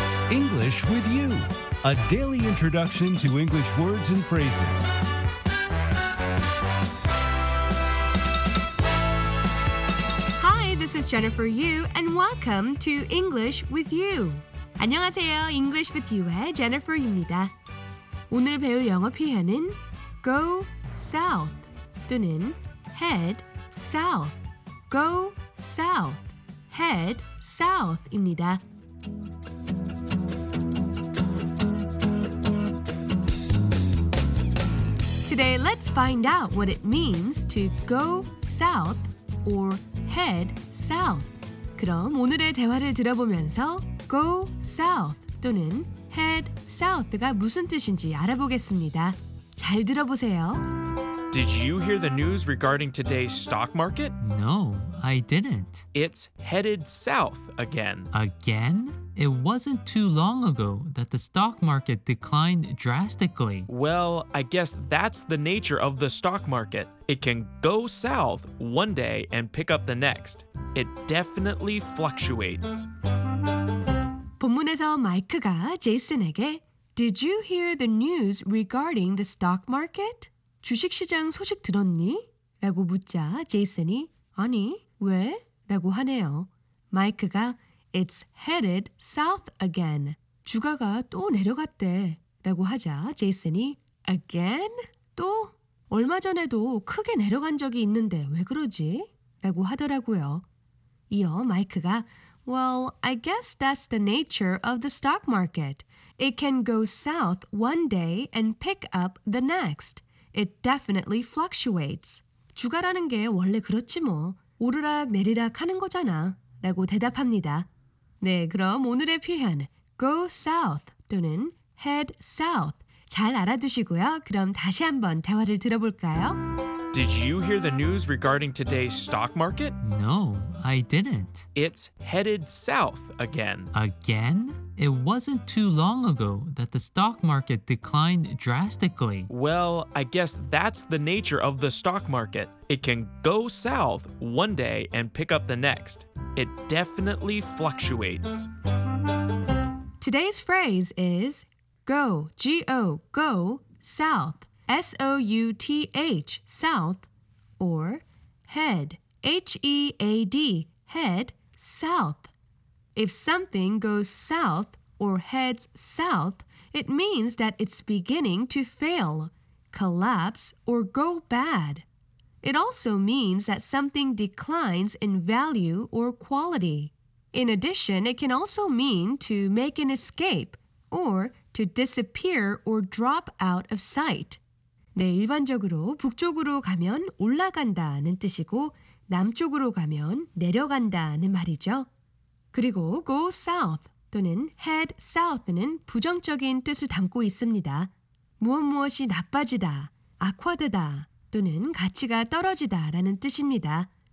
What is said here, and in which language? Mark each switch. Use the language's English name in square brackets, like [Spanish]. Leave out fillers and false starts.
[English] English with you, a daily introduction to English words and phrases. Hi, this is Jennifer Yu, and welcome to English with you. [Korean] 안녕하세요, English with you의 Jennifer입니다. 오늘 배울 영어 표현은 go south 또는 head south. Go south, head south입니다. 오늘 [English] let's find out what it means to go south or head south. [Korean] 그럼 오늘의 대화를 들어보면서 go south 또는 head south가 무슨 뜻인지 알아보겠습니다. 잘 들어보세요. [English] Did you hear the news regarding today's stock market? No, I didn't. It's headed south again. Again? It wasn't too long ago that the stock market declined drastically. Well, I guess that's the nature of the stock market. It can go south one day and pick up the next. It definitely fluctuates. [Korean] 본문에서 마이크가 제이슨에게 [English] Did you hear the news regarding the stock market? [Korean] 주식시장 소식 들었니? 라고 묻자 제이슨이 아니, 왜? 라고 하네요. 마이크가 [English] It's headed south again. [Korean] 주가가 또 내려갔대. 라고 하자 제이슨이 [English] Again? [Korean] 또? 얼마 전에도 크게 내려간 적이 있는데 왜 그러지? 라고 하더라고요. 이어 마이크가 [English] Well, I guess that's the nature of the stock market. It can go south one day and pick up the next. It definitely fluctuates. [Korean] 주가라는 게 원래 그렇지 뭐. 오르락 내리락 하는 거잖아. 라고 대답합니다. 네, 그럼 오늘의 표현 go south 또는 head south 잘 알아두시고요. 그럼 다시 한번 대화를 들어볼까요? [English] Did you hear the news regarding today's stock market? No, I didn't. It's headed south again. Again? It wasn't too long ago that the stock market declined drastically. Well, I guess that's the nature of the stock market. It can go south one day and pick up the next. It definitely fluctuates. Today's phrase is go, G-O, go, south. S-O-U-T-H, south, or head, H-E-A-D, head, south. If something goes south or heads south, it means that it's beginning to fail, collapse, or go bad. It also means that something declines in value or quality. In addition, it can also mean to make an escape or to disappear or drop out of sight. [Korean] 네, 일반적으로 북쪽으로 가면 올라간다는 뜻이고 남쪽으로 가면 내려간다는 말이죠. 그리고 go south 또는 head south는 부정적인 뜻을 담고 있습니다. 무엇무엇이 나빠지다, 악화되다 또는 가치가 떨어지다 라는 뜻입니다.